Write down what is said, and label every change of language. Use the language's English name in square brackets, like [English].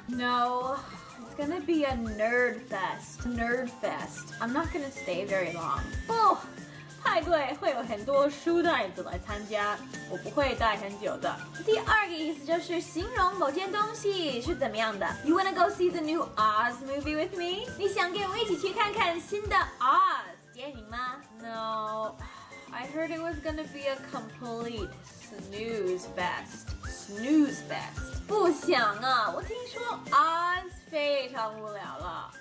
[English] No, it's gonna be a nerd fest. Nerd fest. I'm not gonna stay very long. [Chinese] Oh, 派对会有很多书呆子来参加，我不会待很久的。第二个意思就是形容某件东西是怎么样的。 [English] You wanna go see the new Oz movie with me? [Chinese] 你想跟我一起去看看新的 Oz? 电影吗？ [English] No, I heard it was gonna be a complete snooze fest. Snooze fest. [Chinese] 不想啊，我听说 Oz 非常无聊了。